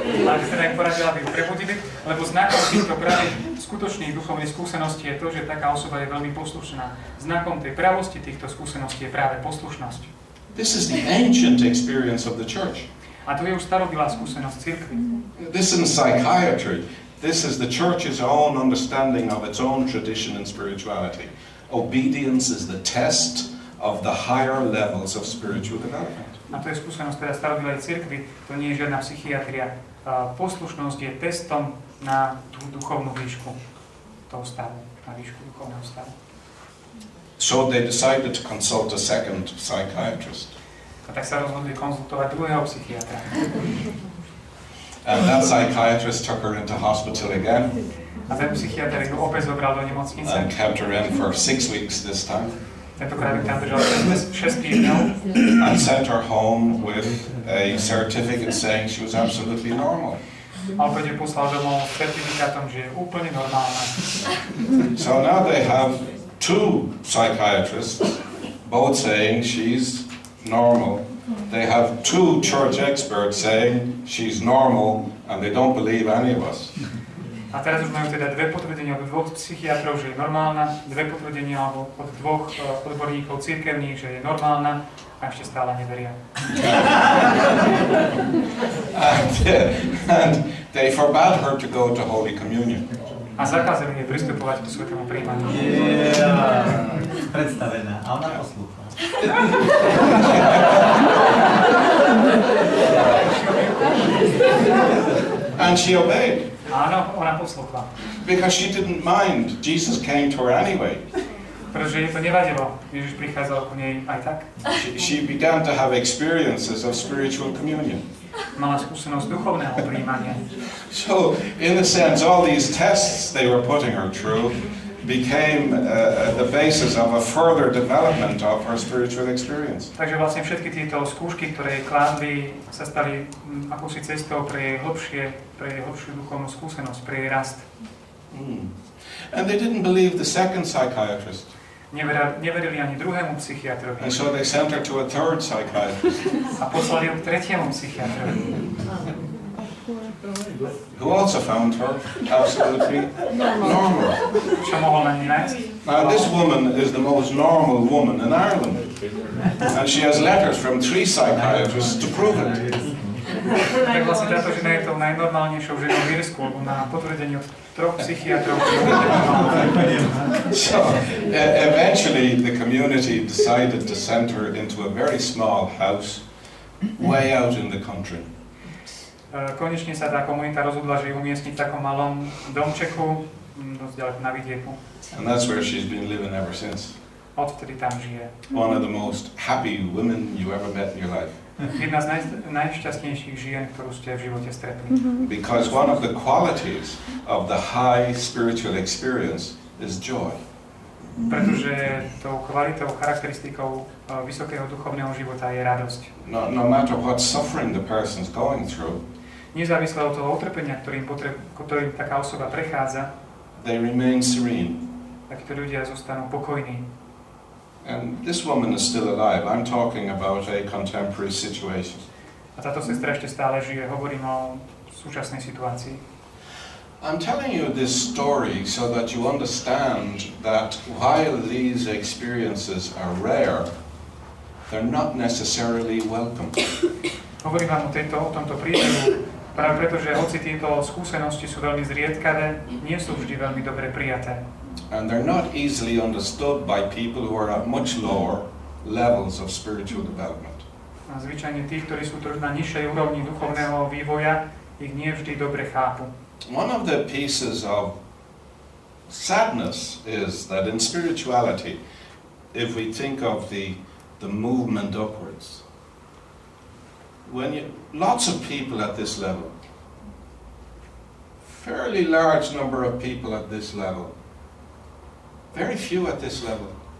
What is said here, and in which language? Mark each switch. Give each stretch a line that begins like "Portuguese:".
Slovak: Ak sa tak poradil, aby ho prebudili, lebo znakom týchto práve skutočných duchovných skúseností je to, že taká osoba je veľmi poslušná. Znakom tej pravosti týchto skúseností je práve poslušnosť.
English: This is the ancient experience of the church.
Slovak: A to je už starobilá skúsenosť cirkvi.
English: This is psychiatry. This is the church's own understanding of its own tradition and spirituality. Obedience is the test of the higher levels of spiritual development.
Slovak: A to je skúsenosť teda starobilej cirkvi, to nie je žiadna psychiatria. Poslušnosť je testom na tú duchovnú výšku toho stavu, na výšku duchovného stavu.
English: So they decided to consult a second psychiatrist.
Slovak: A tak sa rozhodli konzultovať druhého psychiatra.
English: And that psychiatrist took her into hospital again.
Slovak: A ten psychiatr ju opäť zobral do nemocnice.
English: And kept her in for 6 weeks this time.
Slovak: Tentokrát tam držal 6 týždňov.
English: And sent her home with a certificate saying she was absolutely normal.
Slovak: A opäť ju poslal domov s certifikátom, že je úplne normálna.
English: So now they have two psychiatrists, both saying she's normal. They have two church experts saying she's normal and they don't believe any of us.
Slovak: A teraz už majú teda dve potvrdenia od dvoch psychiatrov, že je normálna, dve potvrdenia alebo od dvoch odborníkov cirkevných, že je normálna a ešte stále neveria.
English: And they forbade her to go to Holy Communion.
Slovak: A zakázali jej pristupovať k svätému príjmaniu. Yeah. Predstavená. A ona poslúchala.
English: And she obeyed.
Slovak: Áno, ona poslúchla.
English: Because she didn't mind. Jesus came to her anyway.
Slovak: Pretože jej to nevadilo. Ježiš prichádzal ku nej aj tak.
English: She began to have experiences of spiritual communion.
Slovak: Mala skúsenosť duchovného prijímania.
English: So, in a sense, all these tests they were putting her through became the basis of a further development of her spiritual experience.
Slovak: Takže vlastne všetky tieto skúšky, ktoré jej kládli, sa stali akousi cestou pre jej hlbšiu duchovnú skúsenosť, pre jej rast.
English: And they didn't believe the second psychiatrist.
Slovak: Neverili ani druhému psychiatrovi.
English: And so they sent her to a third psychiatrist.
Slovak: A poslali ju k tretiemu psychiatrovi.
English: Who also found her absolutely normal.
Slovak: Čo mohol na ní nájsť?
English: Now this woman is the most normal woman in Ireland. And she has letters from three psychiatrists to prove it.
Slovak: Tak vlastne táto žena je tou najnormálnejšou ženou v Írsku, lebo na potvrdeniu troch psychiatrov.
English: So, eventually the community decided to send her into a very small house way out in the country.
Slovak: Konečne sa tá komunita rozhodla, že ju umiestni v takom malom domčeku, dosť ďaleko na vidieku.
English: And that's where she's been living ever since.
Slovak: Odvtedy tam žije.
English: One of the most happy women you ever met in your life.
Slovak: Jedna z najšťastnejších žien, ktorú ste v živote stretli.
English: Because one of the qualities of the high spiritual experience is joy.
Slovak: Pretože tou kvalitou, charakteristikou vysokého duchovného života je radosť.
English: No matter what suffering the person's going through.
Slovak: Nezávisle od toho utrpenia, ktorým taká osoba prechádza,
English: they remain serene.
Slovak: Takíto ľudia zostanú pokojní.
English: And this woman is still alive. I'm talking about a contemporary situation.
Slovak: A táto sestra ešte stále žije. Hovorím o súčasnej situácii.
English: I'm telling you this story so that you understand that while these experiences are rare, they're not necessarily welcome.
Slovak: Hovorím vám o tomto príbehu práve preto, že hoci tieto skúsenosti sú veľmi zriedkavé, nie sú vždy veľmi dobre prijaté.
English: And they're not easily understood by people who are at much lower levels of spiritual development.
Slovak: A zvyčajne tí, ktorí sú trošku na nižšej úrovni duchovného vývoja, ich nie vždy dobre chápu.
English: One of the pieces of sadness is that in spirituality, if we think of the movement upwards, when lots of people at this level, fairly large number of people at this level, very few at this level.